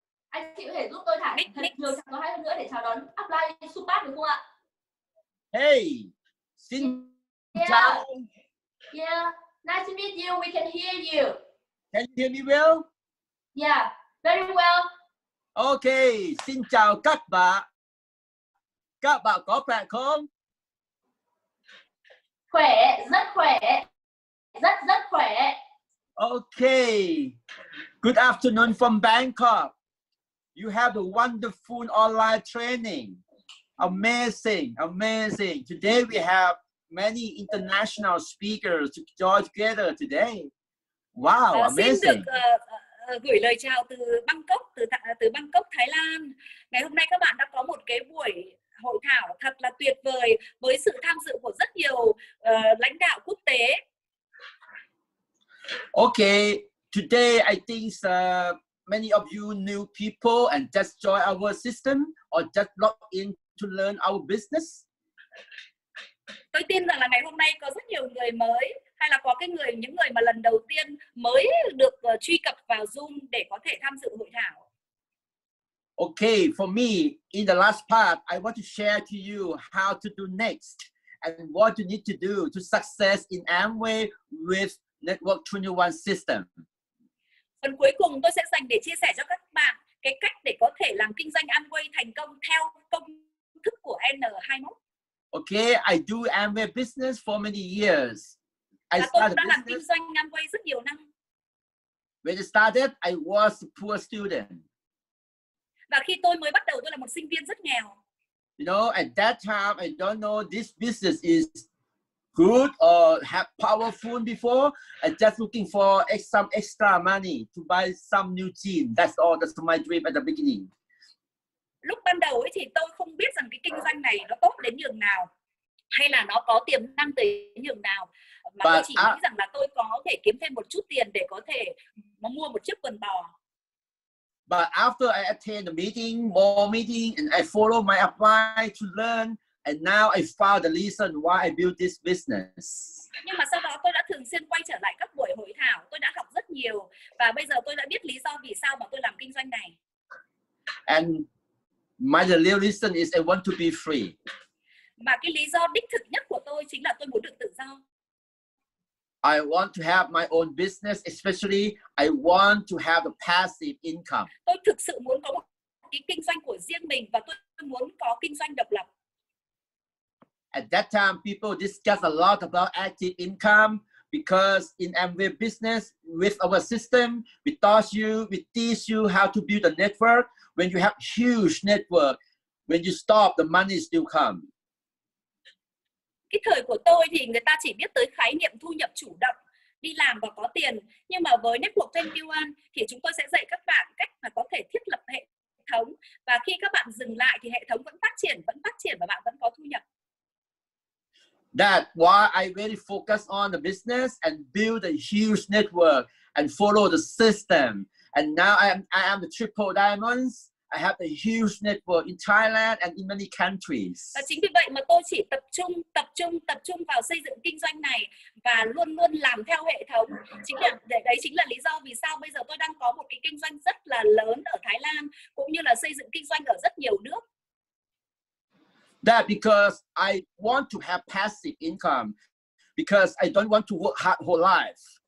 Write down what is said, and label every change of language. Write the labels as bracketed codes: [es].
[vi] Anh chị có thể giúp tôi thả thật nhiều trang số 2 hơn nữa để chào đón upline Supat được không ạ? Hey, xin chào. [en] Yeah, nice to meet you. We can hear you. Can you hear me well? Yeah, very well. [vi] Okay, xin chào các bạn. Các bạn có khỏe không? Khỏe, rất khỏe. Rất rất khỏe. [en] Okay, good afternoon from Bangkok. You have a wonderful online training. Amazing, amazing. Today we have many international speakers to join together today. Wow, amazing. [vi] Xin được gửi lời chào từ Bangkok, từ Bangkok, Thái Lan. Ngày hôm nay các bạn đã có một cái buổi hội thảo thật là tuyệt vời với sự tham dự của rất nhiều lãnh đạo quốc tế. [en] Okay, today I think many of you new people and just join our system or just log in to learn our business. [vi] Tôi tin rằng là ngày hôm nay có rất nhiều người mới hay là có cái người những người mà lần đầu tiên mới được truy cập vào Zoom để có thể tham dự hội thảo. [en] Okay, for me in the last part I want to share to you how to do next and what you need to do to success in Amway with Network 21 system. [vi] Phần cuối cùng tôi sẽ dành để chia sẻ cho các bạn cái cách để có thể làm kinh doanh Amway thành công theo công thức của N21. [en] Okay, I do Amway business for many years. [vi] Tôi đã làm kinh doanh Amway rất nhiều năm. [en] When I started, I was a poor student. [vi] Và khi tôi mới bắt đầu, tôi là một sinh viên rất nghèo. [en] You know, at that time, I don't know this business is good or have powerful before. I'm just looking for some extra money to buy some new team. That's all. That's my dream at the beginning. [vi] Lúc ban đầu ấy thì tôi không biết rằng cái kinh doanh này nó tốt đến nhường nào hay là nó có tiềm năng tới nhường nào, mà tôi chỉ nghĩ rằng là tôi có thể kiếm thêm một chút tiền để có thể mua một chiếc quần bò. [en] But after I attend the meeting, more meeting, and I follow my apply to learn, and now I found the reason why I built this business. [vi] Nhưng mà sau đó tôi đã thường xuyên quay trở lại các buổi hội thảo, tôi đã học rất nhiều và bây giờ tôi đã biết lý do vì sao mà tôi làm kinh doanh này. [en] And my real reason is I want to be free. [vi] Mà cái lý do đích thực nhất của tôi chính là tôi muốn được tự do. [en] I want to have my own business, especially I want to have a passive income. [vi] Tôi thực sự muốn có một cái kinh doanh của riêng mình và tôi muốn có kinh doanh độc lập. [en] At that time, people discuss a lot about active income because in Amway business, with our system, we teach you how to build a network. When you have huge network, when you stop, the money still come. [vi] Cái thời của tôi thì người ta chỉ biết tới khái niệm thu nhập chủ động, đi làm và có tiền. Nhưng mà với Network 21 thì chúng tôi sẽ dạy các bạn cách mà có thể thiết lập hệ thống. Và khi các bạn dừng lại thì hệ thống vẫn phát triển và bạn vẫn có thu nhập. [en] That's why I really focus on the business and build a huge network and follow the system. And now I am the Triple Diamonds. I have a huge network in Thailand and in many countries. [vi] Và chính vì vậy mà tôi chỉ tập trung vào xây dựng kinh doanh này và luôn luôn làm theo hệ thống. Đấy chính là lý do vì sao bây giờ tôi đang có một cái kinh doanh rất là lớn ở Thái Lan cũng như là xây dựng kinh doanh ở rất nhiều nước. [en] that because I want to have passive income, because I don't want to work hard whole life.